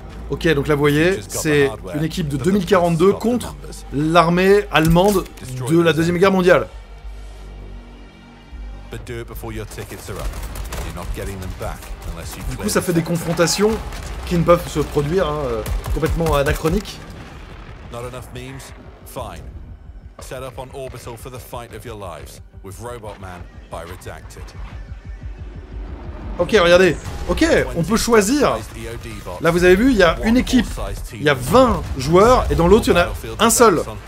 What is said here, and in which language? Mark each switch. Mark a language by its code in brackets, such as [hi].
[fr] Ok, donc là vous voyez, c'est une équipe de 2042 contre l'armée allemande de la Deuxième Guerre mondiale. [en] But do it before your tickets are up. You're not getting them back unless you. [fr] Du coup, ça fait des confrontations qui ne peuvent se produire, hein, complètement anachroniques. [en] Not enough memes? Fine. Set up on orbital for the fight of your lives with Robot Man by Redacted. [fr] Ok, regardez. Ok, on peut choisir. Là, vous avez vu, il y a une équipe. Il y a 20 joueurs et dans l'autre, il y en a un seul.